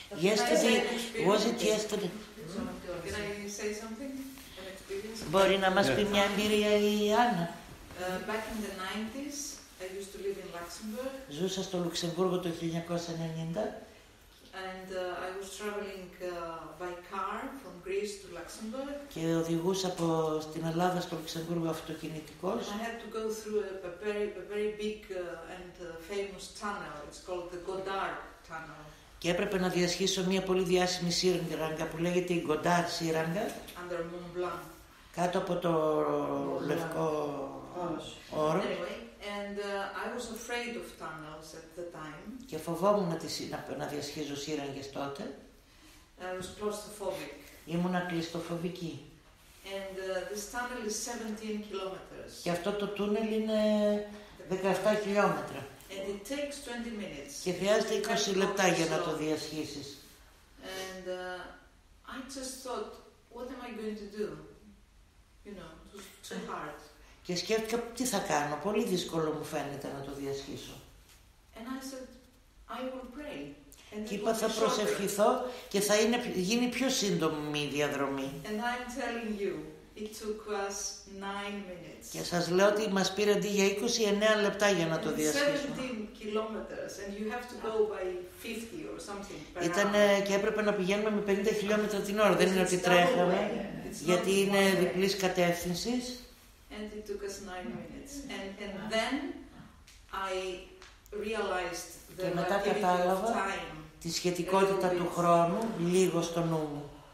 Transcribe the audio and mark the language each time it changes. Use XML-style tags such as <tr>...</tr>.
<en>Yesterday, was it yesterday? Can I say something?</en> <el>Μπορεί να μας πει μια εμπειρία η Άννα.</el> <en>Back in the 90s, I used to live in Luxembourg.</en> <el>Ζούσα στο Λουξεμβούργο το 1990.</el> <en>And I was traveling by car from Greece to Luxembourg.</en> <el>Και οδηγούσα από την Ελλάδα στο Λουξεμβούργο αυτοκινητικός.</el> <en>I had to go through a very big and famous tunnel. It's called the Godard tunnel.</en> <el>Και έπρεπε να διασχίσω μια πολύ διάσημη σύραγγα που λέγεται η Godard σύραγγα.</el> <en>Under Mont Blanc.</en> <el>Κάτω από το λευκό όρο.</el> <en>Anyway, I was afraid of tunnels at the time.</en> <el>Και φοβόμουν να διασχίζω σύραγγες τότε.</el> <en>I was claustrophobic.</en> <el>Ήμουνα κλειστοφοβική.</el> <en>And this tunnel is 17 kilometers.</en> <el>Και αυτό το τούνελ είναι 17 χιλιόμετρα.</el> <en>And it takes 20 minutes.</en> <el>Και χρειάζεται 20 λεπτά για να το διασχίσεις.</el> <en>And I just thought, what am I going to do? You know, hard.</en> <el>Και σκέφτηκα τι θα κάνω, πολύ δύσκολο μου φαίνεται να το διασχίσω.</el> <en>And I said, I will pray.</en> <el>Και είπα θα προσευχηθώ και θα είναι, γίνει πιο σύντομη η διαδρομή.</el> <en>And I'm telling you, it took us 9 minutes.</en> <el>Και σας λέω ότι μας πήρε αντί για 29 λεπτά για να το διασχίσουμε.</el> <en>17 kilometers and you have to go by 50 or something.</en> <el>Ήταν και έπρεπε να πηγαίνουμε με 50 χιλιόμετρα την ώρα, δεν είναι ότι τρέχαμε. Γιατί είναι διπλής κατεύθυνσης.</el> <en>And it took us 9 minutes. And then I realized the relativity of time.</en> <el>Και μετά κατάλαβα τη σχετικότητα του χρόνου λίγο στο νου μου.</el>